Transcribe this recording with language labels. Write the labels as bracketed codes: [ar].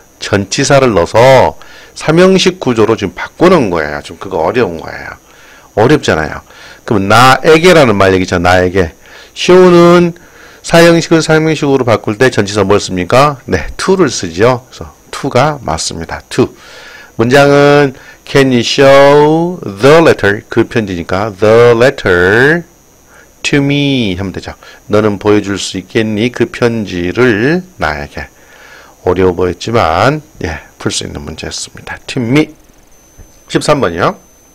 [ko] 전치사를 넣어서 삼형식 구조로 지금 바꾸는 거예요. 좀 그거 어려운 거예요. 어렵잖아요. 그럼 나에게라는 말 얘기죠. 나에게. 쇼는 사형식을 삼형식으로 바꿀 때 전치사 뭘 씁니까? 네, to를 쓰죠. 그래서 to가 맞습니다. [en] to. [ko] 문장은 [en] Can you show the letter? [ko] 그 편지니까 [en] the letter to me [ko] 하면 되죠. 너는 보여줄 수 있겠니? 그 편지를 나에게. 어려워 보였지만 예, 풀수 있는 문제였습니다. [en] to me. [ko] 13번이요.